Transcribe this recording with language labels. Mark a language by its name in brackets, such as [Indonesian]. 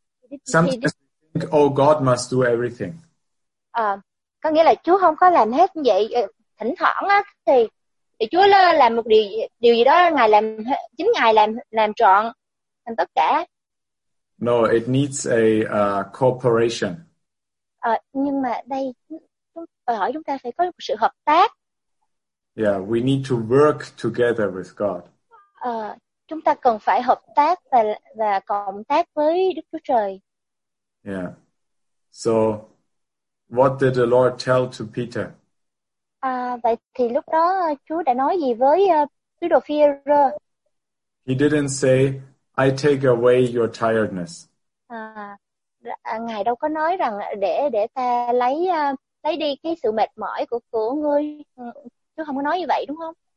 [English] It's sometimes think, oh, God must do everything. [Vietnamese] Có nghĩa là Chúa không có làm hết như vậy. Thỉnh thoảng á thì Chúa làm một điều gì đó, Ngài làm chính Ngài làm trọn thành tất cả. [English] No, it needs a cooperation. [Vietnamese] Nhưng mà đây đòi hỏi chúng ta phải có một sự hợp tác. [English] Yeah, we need to work together with God. [Vietnamese] Chúng ta cần phải hợp tác và cộng tác với Đức Chúa Trời. Yeah. [English] So what did the Lord tell to Peter? [Vietnamese] Vậy thì lúc đó Chúa đã nói gì với sứ đồ Phi-e-rơ? [English] He didn't say, I take away your tiredness. [Vietnamese] Ngài đâu có nói rằng để ta lấy đi cái sự mệt mỏi của ngươi. Chúa không có nói như vậy đúng không?